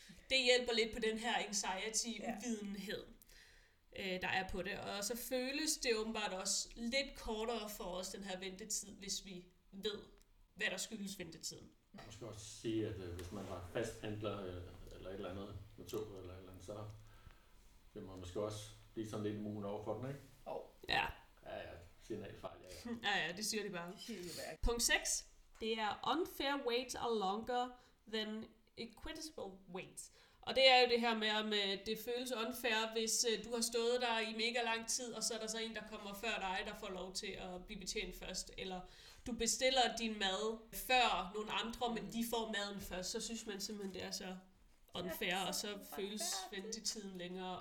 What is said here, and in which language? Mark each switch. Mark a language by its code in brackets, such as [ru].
[da] Det hjælper lidt på den her anxiety-uvidenhed. Der er på det, og så føles det åbenbart også lidt kortere for os, den her ventetid, hvis vi ved, hvad der skyldes ventetiden. Man skal også sige, at hvis man har fasthandler eller et eller andet med tog eller et eller andet, så bliver man måske også lige sådan lidt immun over for den, ikke? Ja, signalfejl, ja. Ja, det siger de bare. Punkt 6. Det er [en] unfair weights are longer than equitable weights. [da] Og det er jo det her med, at det føles unfair, hvis du har stået der i mega lang tid, og så er der så en, der kommer før dig, der får lov til at blive betjent først. Eller du bestiller din mad før nogle andre, men de får maden først. Så synes man simpelthen, det er så unfair, og så føles ventetiden længere.